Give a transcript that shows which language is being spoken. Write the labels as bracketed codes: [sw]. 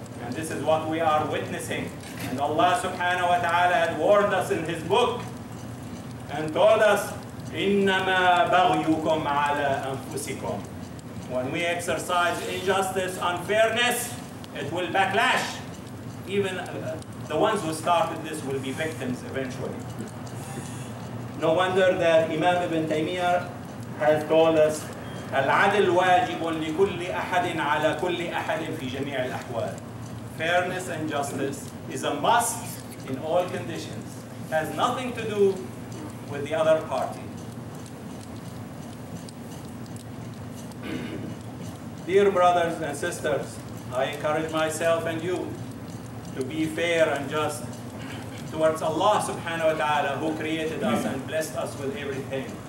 [en] And this is what we are witnessing. And Allah subhanahu wa ta'ala had warned us in his book and told us, [ar] إِنَّمَا بَغْيُكُمْ عَلَىٰ أَنفُسِكُمْ. [en] When we exercise injustice, unfairness, it will backlash. Even the ones who started this will be victims eventually. No wonder that Imam Ibn Taymiyyah has told us, [ar] العدل واجب لكل أحد على كل أحد في جميع الأحوال. [en] Fairness and justice is a must in all conditions. It has nothing to do with the other party. Dear brothers and sisters, I encourage myself and you to be fair and just towards Allah subhanahu wa ta'ala, who created us and blessed us with everything.